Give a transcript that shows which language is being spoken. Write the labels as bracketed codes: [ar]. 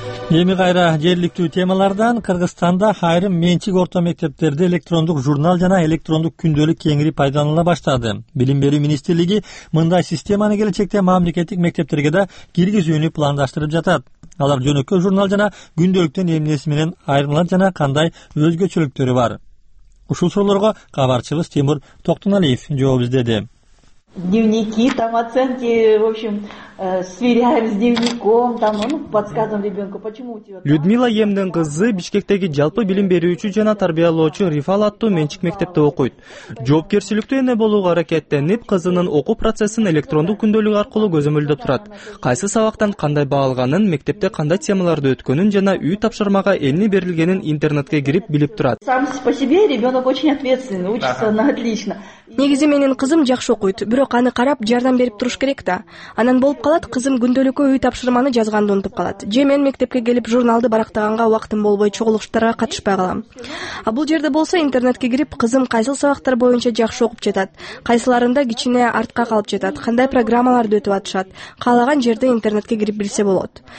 [ky] Эми кайра жергиликтүү темалардан. Кыргызстанда айрым менчик орто мектептерде электрондук журнал жана электрондук күндөлүк кеңири пайдаланыла баштады. Билим берүү министрлиги мындай системаны келечекте мамлекеттик мектептерге да киргизүүнү пландаштырып жатат. Алар жөнөкөй журнал жана күндөлүктөн эмнеси менен айырмаланат жана кандай өзгөчөлүктөрү бар? Ушул суроолорго кабарчыбыз Тимур Токтоналиев жооп издеди. [ru] Дневники, там оценки, в общем, сверяем с дневником, там, ну, подсказываем ребенку, почему у тебя... [ky] Людмила Емден кызы Бишкектеги жалпы билим берүүчү жана тарбиялоочу Рифал аттуу менчик мектепте окуйт. Жоопкерчиликтүү эне болууга аракеттенип, кызынын окуу процессин электрондук күндөлүк аркылуу көзөмөлдөп турат. Кайсы сабактан кандай баа алганын, мектепте кандай темаларды өткөнүн жана үй тапшырмага эмне берилгенин интернетке кирип билип турат. [ru] Сам по себе ребенок очень ответственный, учится на отлично. [ky] Негизи менин кызым жакшы окуйт, бирок аны карап жардам берип туруш керек да. Анан болуп калат, кызым күндөлүккө үй тапшырманы жазганды унутуп калат. Же мен мектепке келип журналды барактаганга убактым болбой чогулуштарга катышпай калам. А бул жерде болсо интернетке кирип, кызым кайсыл сабактар боюнча жакшы окуп жатат, кайсыларында кичине артка калып жатат, кандай программаларды өтүп атышат, каалаган жерде интернетке кирип билсе болот.